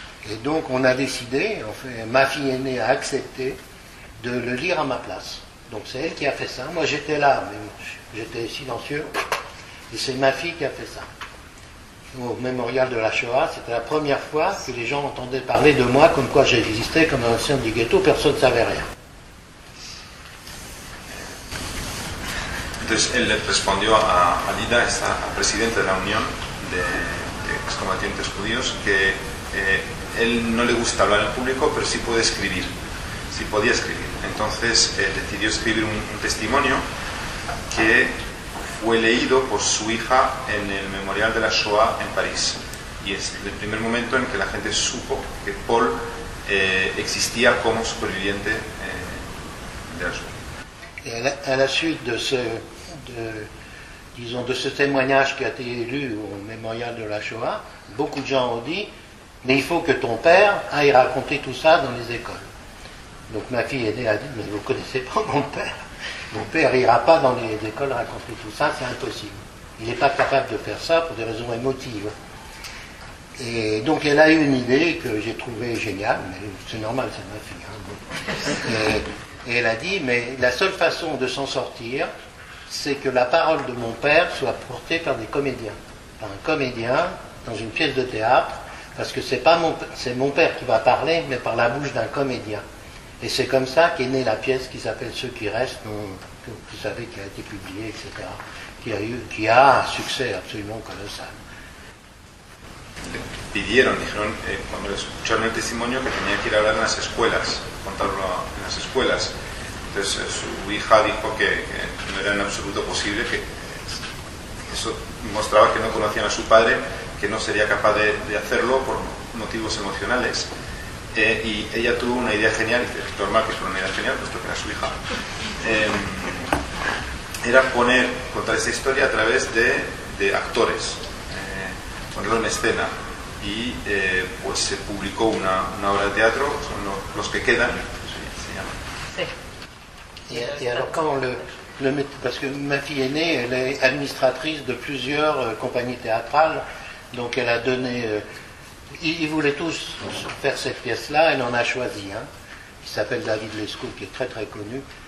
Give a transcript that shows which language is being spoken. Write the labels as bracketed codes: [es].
[fr] Et donc on a décidé, en fait, ma fille aînée a accepté de le lire à ma place. Donc c'est elle qui a fait ça. Moi j'étais là, mais j'étais silencieux. Et c'est ma fille qui a fait ça. Au mémorial de la Shoah, c'était la première fois que les gens entendaient parler de moi comme quoi j'existais comme un ancien du ghetto, personne ne savait rien. [es] Entonces él le respondió a Lida, esta presidenta de la Unión de Excombatientes Judíos, que él no le gusta hablar en público, pero sí puede escribir, sí podía escribir. Entonces decidió escribir un testimonio que fue leído por su hija en el Memorial de la Shoah en París. Y es el primer momento en que la gente supo que Paul existía como superviviente de la Shoah. [fr] A la suite de ce... De, disons, de ce témoignage qui a été élu au mémorial de la Shoah, beaucoup de gens ont dit, mais il faut que ton père aille raconter tout ça dans les écoles. Donc ma fille aînée a dit, mais vous ne connaissez pas mon père. Mon père n'ira pas dans les écoles raconter tout ça, c'est impossible. Il n'est pas capable de faire ça pour des raisons émotives. Et donc elle a eu une idée que j'ai trouvée géniale, mais c'est normal, c'est ma fille. Hein, bon. Et elle a dit, mais la seule façon de s'en sortir, c'est que la parole de mon père soit portée par des comédiens. Par un comédien dans une pièce de théâtre, parce que c'est mon père qui va parler, mais par la bouche d'un comédien. Et c'est comme ça qu'est née la pièce qui s'appelle « Ceux qui restent », que vous savez, qui a été publiée, etc., qui a un succès absolument colossal. [es] Pidieron, dijeron, cuando escucharon el testimonio, que tenía que ir a hablar en las escuelas, contarlo en las escuelas. Entonces su hija dijo que no era en absoluto posible, que eso mostraba que no conocían a su padre, que no sería capaz de hacerlo por motivos emocionales. Y ella tuvo una idea genial, y dice, normal que fuera una idea genial, puesto que era su hija. Era contar esa historia a través de actores, ponerlo en escena. Y pues se publicó una obra de teatro, son los que quedan, se llama. Sí. [fr] Y alors, quand le mette, parce que ma fille aînée, elle est administratrice de plusieurs compagnies théâtrales, donc elle a donné. Ils voulaient tous faire cette pièce-là, elle en a choisi un, hein, qui s'appelle David Lescaut, qui est très très connu.